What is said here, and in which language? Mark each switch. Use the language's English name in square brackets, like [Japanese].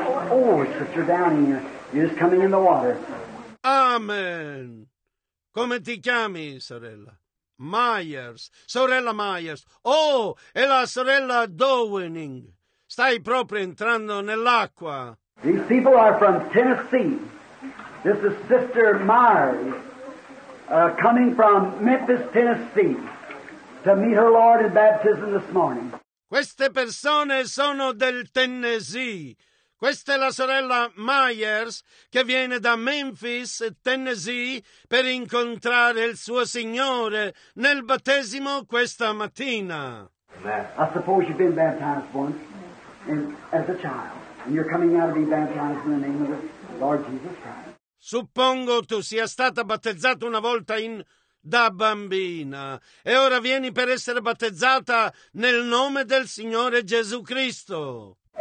[English] Oh, Sister Downing, you're just coming in the water. [Italian] Amen. Come ti chiami, sorella? Myers, sorella Myers. Oh, è la sorella Downing. Stai proprio entrando nell'acqua. [English] These people are from Tennessee. This is Sister Myers, coming from Memphis, Tennessee, to meet her Lord in baptism this morning. [Italian] Queste persone sono del Tennessee. Questa è la sorella Myers che viene da Memphis, Tennessee, per incontrare il suo Signore nel battesimo questa mattina. [English] I suppose you've been baptized once as a child, and you're coming out to be baptized in the name of the Lord Jesus Christ. [Italian] Suppongo tu sia stata battezzata una volta da bambina e ora vieni per essere battezzata nel nome del Signore Gesù Cristo.